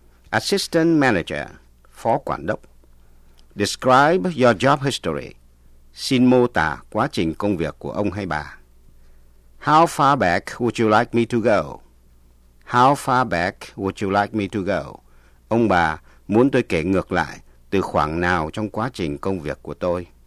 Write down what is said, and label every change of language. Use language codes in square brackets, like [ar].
[vi] Assistant Manager, phó quản đốc. [en] Describe your job history, [vi] xin mô tả quá trình công việc của ông hay bà. [en] How far back would you like me to go? How far back would you like me to go? [vi] Ông bà muốn tôi kể ngược lại từ khoảng nào trong quá trình công việc của tôi.